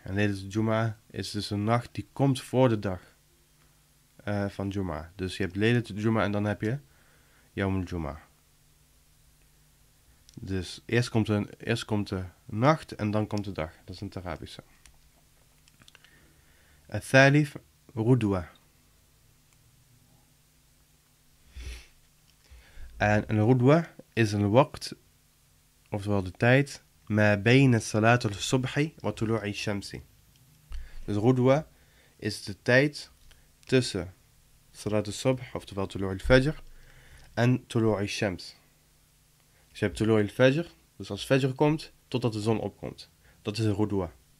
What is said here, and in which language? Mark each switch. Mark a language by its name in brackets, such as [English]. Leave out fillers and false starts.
[Dutch] En laylata al-jum'a is dus een nacht die komt voor de dag van jum'a. Dus je hebt laylata al-jum'a en dan heb je yawm al-jum'a. Dus eerst komt de nacht en dan komt de dag. Dat is in het Arabische. [Arabic] الثالث غدوة en الغدوة is een وقت [Dutch] oftewel de tijd [Arabic] ما بين الصلاة الصبح وطلوع الشمس. [Dutch] Dus غدوة is de tijd tussen صلاة الصبح oftewel طلوع الفجر en طلوع الشمس. Dus je hebt طلوع الفجر, dus als فجر komt totdat de zon opkomt. Dat is غدوة.